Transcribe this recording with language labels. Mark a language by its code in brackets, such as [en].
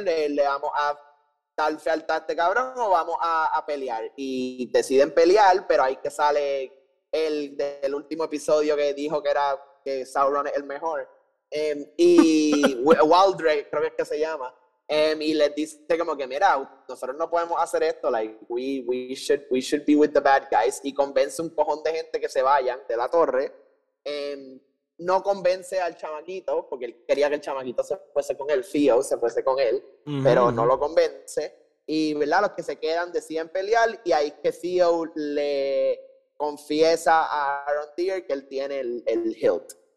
[es] ¿Le vamos a dar fealtad a este cabrón o vamos a pelear? Y deciden pelear, pero ahí que sale el del último episodio que dijo que era que Sauron es el mejor. Y Waldrake, creo que es que se llama. Y les dice como que, mira, nosotros no podemos hacer esto. [en] Like, we should be with the bad guys. [es] Y convence un cojón de gente que se vayan de la torre. No convence al chamaquito, porque él quería que el chamaquito se fuese con el Fio, se fuese con él, pero no lo convence. Y, ¿verdad? Los que se quedan deciden pelear, y ahí es que Fio le confiesa a Aaron Deere que él tiene el hilt.